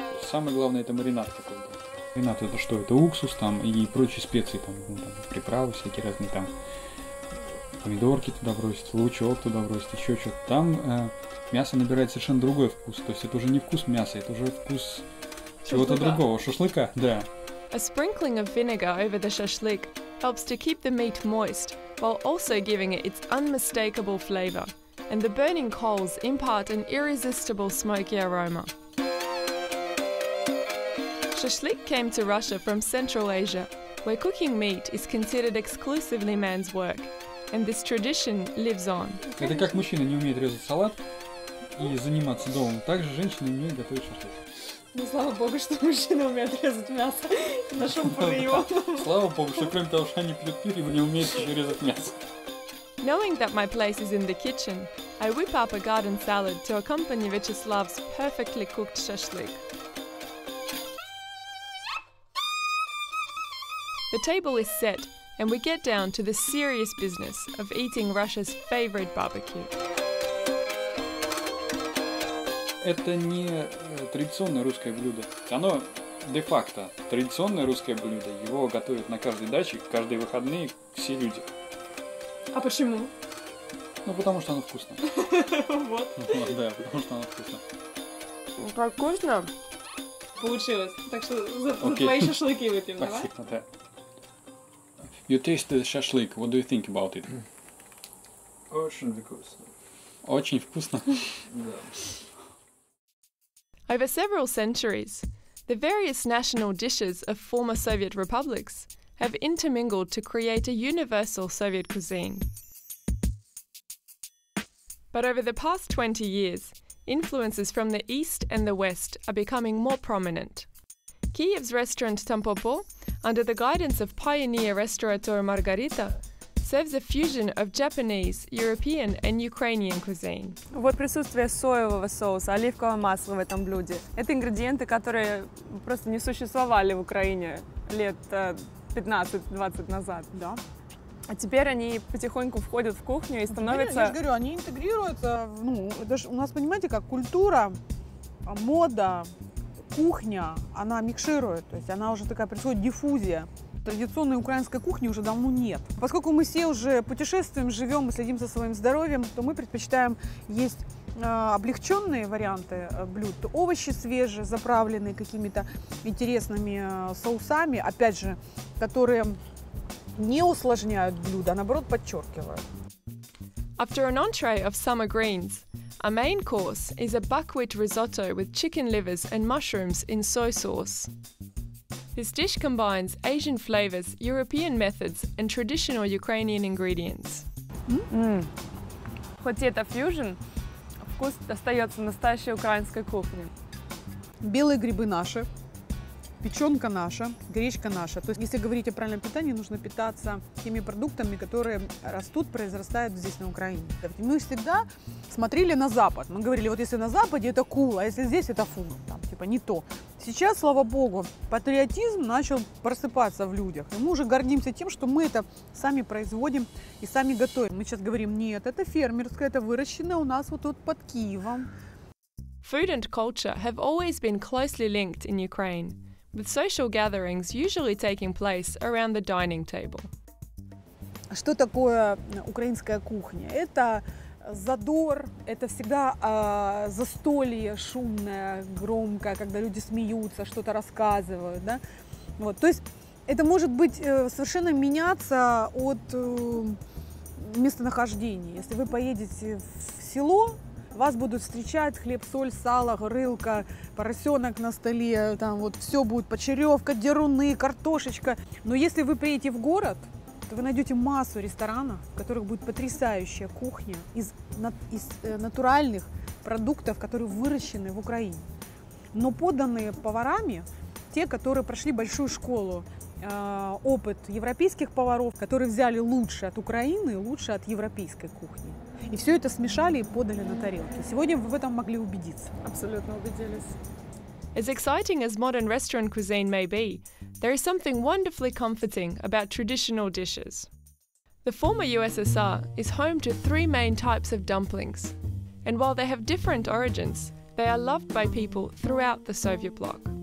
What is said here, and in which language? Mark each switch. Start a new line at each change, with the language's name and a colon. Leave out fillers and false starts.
Russian: Самое главное это маринад такой. Маринад это что? Это уксус там и прочие специи там, ну, там приправы всякие разные там. Помидорки туда бросить, лучок туда бросить, еще что-то. Там мясо набирает совершенно другой вкус. То есть это уже не вкус мяса, это уже вкус чего-то другого. Шашлыка, да.
English: A sprinkling of vinegar over the shashlik helps to keep the meat moist, while also giving it its unmistakable flavor. And the burning coals impart an irresistible smoky aroma. Shashlik came to Russia from Central Asia, where cooking meat is considered exclusively man's work. And this tradition lives on.
Russian: Это как мужчина не умеет резать салат и заниматься домом, так же женщина не умеет готовить шашлык. Ну слава богу, что мужчина умеет резать мясо. Нашел пары его. Слава богу, что кроме того, что они пьют пиво, не умеют еще резать мясо.
English: Knowing that my place is in the kitchen, I whip up a garden salad to accompany Vyacheslav's perfectly cooked shashlik. The table is set, and we get down to the serious business of eating Russia's favorite barbecue.
Russian: Это не традиционное русское блюдо. Оно де-факто традиционное русское блюдо. Его готовят на каждой даче, каждые выходные все люди. А почему? Ну, потому что оно вкусно. Вот. Да, потому что оно вкусно. Как вкусно? Получилось. Так что за твои шашлыки выпьем, давай? Спасибо, да.
English: You taste the shashlik. What do you think about it?
Russian: Очень вкусно. Очень вкусно?
English: Over several centuries, the various national dishes of former Soviet republics have intermingled to create a universal Soviet cuisine. But over the past 20 years, influences from the East and the West are becoming more prominent. Kiev's restaurant Tampopo, under the guidance of pioneer restaurateur Margarita, serves a fusion of Japanese, European and Ukrainian cuisine.
Russian: Вот присутствие соевого соуса, оливкового масла в этом блюде. Это ингредиенты, которые просто не существовали в Украине лет 15-20 назад, да? А теперь они потихоньку входят в кухню и становятся... Теперь, я говорю, они интегрируются, ну, это же у нас, понимаете, как культура, мода, кухня, она микширует, то есть она уже такая, происходит диффузия. Традиционной украинской кухни уже давно нет. Поскольку мы все уже путешествуем, живем и следим за своим здоровьем, то мы предпочитаем есть облегченные варианты блюд, то овощи свежие, заправленные какими-то интересными соусами, опять же, которые не усложняют блюдо, а наоборот подчеркивают.
English: After an entree of summer greens, a main course is a buckwheat risotto with chicken livers and mushrooms in soy sauce. This dish combines Asian flavors, European methods, and traditional Ukrainian ingredients.
Russian: Хоть это фьюжн, вкус остается настоящей украинской кухни. Белые грибы наши, печенка наша, гречка наша. То есть, если говорить о правильном питании, нужно питаться теми продуктами, которые растут, произрастают здесь, на Украине. Мы всегда смотрели на Запад. Мы говорили, вот если на Западе, это cool, а если здесь, это фу, там, типа не то. Сейчас, слава богу, патриотизм начал просыпаться в людях. И мы уже гордимся тем, что мы это сами производим и сами готовим. Мы сейчас говорим, нет, это фермерское, это выращенное у нас вот тут под Киевом.
English: Food and culture have always been closely linked in Ukraine, with social gatherings usually taking place around the dining table.
Russian: Что такое украинская кухня? Это задор, это всегда застолье шумное, громкое, когда люди смеются, что-то рассказывают, да? Вот, то есть это может быть совершенно меняться от местонахождения. Если вы поедете в село, вас будут встречать хлеб, соль, сало, горилка, поросенок на столе, там вот все будет, почеревка, деруны, картошечка. Но если вы приедете в город, то вы найдете массу ресторанов, в которых будет потрясающая кухня из натуральных продуктов, которые выращены в Украине, но поданные поварами, те, которые прошли большую школу, опыт европейских поваров, которые взяли лучше от Украины, лучше от европейской кухни. И все это смешали и подали на тарелке. Сегодня вы в этом могли убедиться. Абсолютно убедились.
English: As exciting as modern restaurant cuisine may be, there is something wonderfully comforting about traditional dishes. The former USSR is home to three main types of dumplings. And while they have different origins, they are loved by people throughout the Soviet bloc.